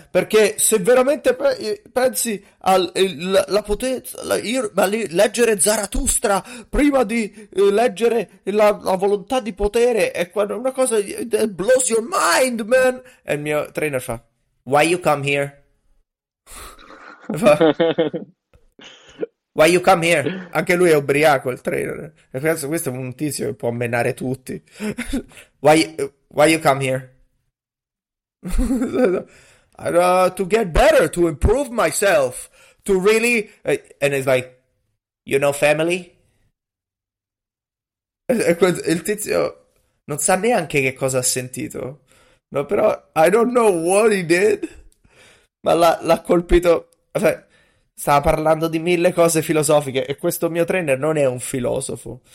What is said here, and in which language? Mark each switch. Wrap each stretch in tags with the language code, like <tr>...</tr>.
<it>Perché se veramente pensi al la potenza, ma leggere Zarathustra prima di leggere la volontà di potere è una cosa</it> <en>that blows your mind, man.</en> <it>E il mio trainer fa:</it> <en>Why you come here?</en> <it>Fa: Why you come here? Anche lui è ubriaco, il trainer. E penso, questo è un tizio che può menare tutti.</it> <en>Why you come here? To get better, to improve myself, to really. And it's like, you know, family?</en> <it>E il tizio non sa neanche che cosa ha sentito. No, però,</it> <en>I don't know what he did,</en> <it>ma l'ha colpito. Cioè, stava parlando di mille cose filosofiche. E questo mio trainer non è un filosofo.</it>